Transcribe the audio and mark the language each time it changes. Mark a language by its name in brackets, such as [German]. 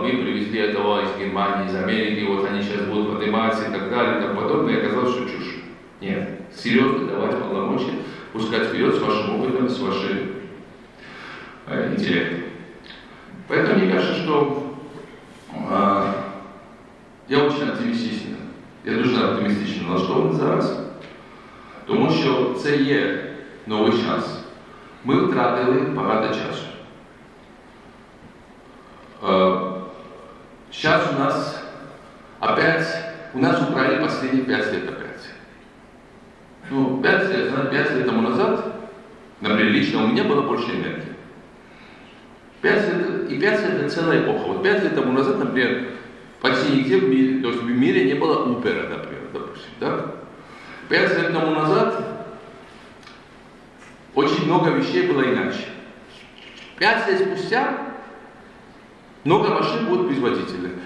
[Russian] Вы привезли этого из Германии, из Америки, вот они сейчас будут подниматься и так далее и тому подобное. И оказалось, что чушь. Нет. Серьезно давать полномочия, пускать вперед с вашим опытом, с вашим интеллектом. Поэтому мне кажется, что я очень оптимистичен. [Ukrainian] Я дуже оптимистично налаштований зараз, тому що це є новий час. Ми втратили багато часу. Зараз у нас опять, у нас украли останні 5 років опять. Ну, 5 років тому назад, наприклад, лично у мене було більше енергії. 5 років це ціла епоха. От 5 років тому назад, наприклад, [Russian] почти нигде в мире, то есть в мире не было Упера, например, допустим, да? 5 лет тому назад очень много вещей было иначе. 5 лет спустя много машин будет без водителя.